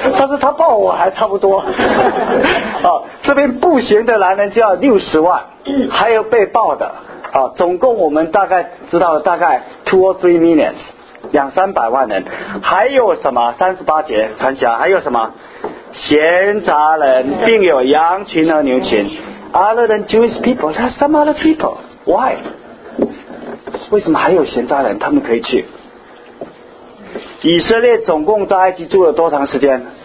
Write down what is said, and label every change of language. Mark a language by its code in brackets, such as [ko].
[zh] 但是他抱我还差不多。啊，这边步行的男人就要60万，还有被抱的。啊，总共我们大概知道了大概 [en] 2 or 3 millions， [zh] 200-300万人。还有什么？ 38节传下，还有什么？闲杂人，并有羊群和牛群。 [en] Other than Jewish people, there are some other people. Why？ [zh] 为什么还有闲杂人？他们可以去？” 以色列总共在埃及住了多长时间？